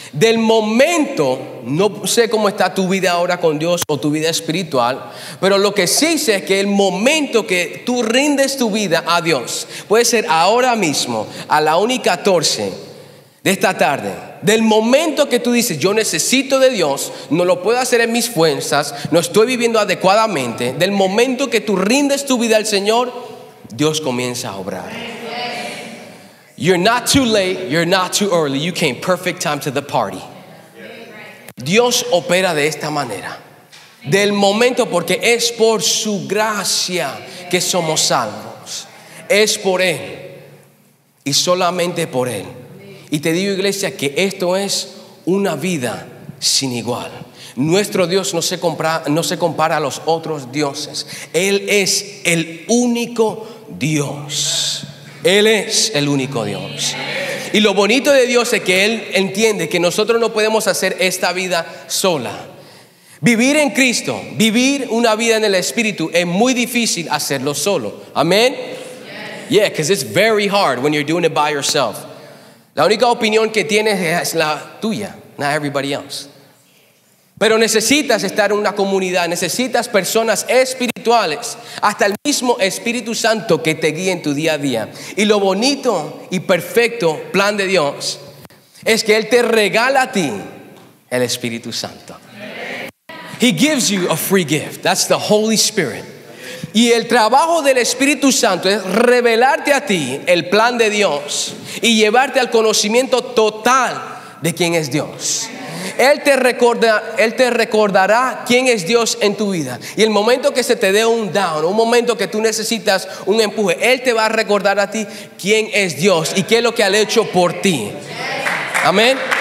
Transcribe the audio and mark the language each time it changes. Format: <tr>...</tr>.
<es>Del momento, no sé cómo está tu vida ahora con Dios o tu vida espiritual, pero lo que sí sé es que el momento que tú rindes tu vida a Dios, puede ser ahora mismo, a la 1:14 de esta tarde, del momento que tú dices: yo necesito de Dios, no lo puedo hacer en mis fuerzas, no estoy viviendo adecuadamente, del momento que tú rindes tu vida al Señor, Dios comienza a obrar.</es> <en>You're not too late, you're not too early, you came perfect time to the party.</en> <es>Dios opera de esta manera, del momento, porque es por su gracia que somos salvos, es por Él y solamente por Él. Y te digo, iglesia, que esto es una vida sin igual. Nuestro Dios no se compara a los otros dioses. Él es el único Dios. Él es el único Dios. Y lo bonito de Dios es que Él entiende que nosotros no podemos hacer esta vida sola. Vivir en Cristo, vivir una vida en el Espíritu, es muy difícil hacerlo solo. ¿Amén?</es> <en>Yeah, because it's very hard when you're doing it by yourself.</en> <es>La única opinión que tienes es la tuya,</es> <en>not everybody else.</en> <es>Pero necesitas estar en una comunidad, necesitas personas espirituales, hasta el mismo Espíritu Santo que te guíe en tu día a día. Y lo bonito y perfecto plan de Dios es que Él te regala a ti el Espíritu Santo.</es> <en>He gives you a free gift, that's the Holy Spirit.</en> <es>Y el trabajo del Espíritu Santo es revelarte a ti el plan de Dios y llevarte al conocimiento total de quién es Dios. Él te recordará quién es Dios en tu vida. Y el momento que se te dé un down, un momento que tú necesitas un empuje, Él te va a recordar a ti quién es Dios y qué es lo que ha hecho por ti. Amén.</es>